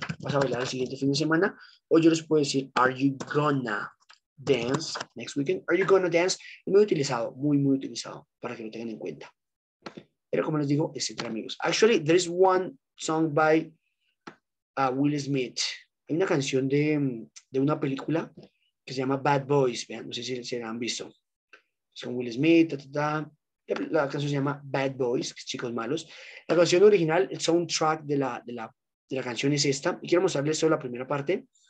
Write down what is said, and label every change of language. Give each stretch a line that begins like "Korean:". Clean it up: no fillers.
Spanish: ¿Vas a bailar el siguiente fin de semana? O yo les puedo decir,
English: are you gonna dance next weekend? Are you gonna dance?
Spanish: Muy utilizado, muy, muy utilizado, para que lo tengan en cuenta. Pero como les digo, es entre amigos.
English: Actually, there is one song by Will Smith.
Spanish: Hay una canción de una película que se llama Bad Boys. Vean, no sé si se la han visto. Son Will Smith, la canción se llama Bad Boys, chicos malos. La canción original, el soundtrack de la canción es esta. Y quiero mostrarles solo la primera parte.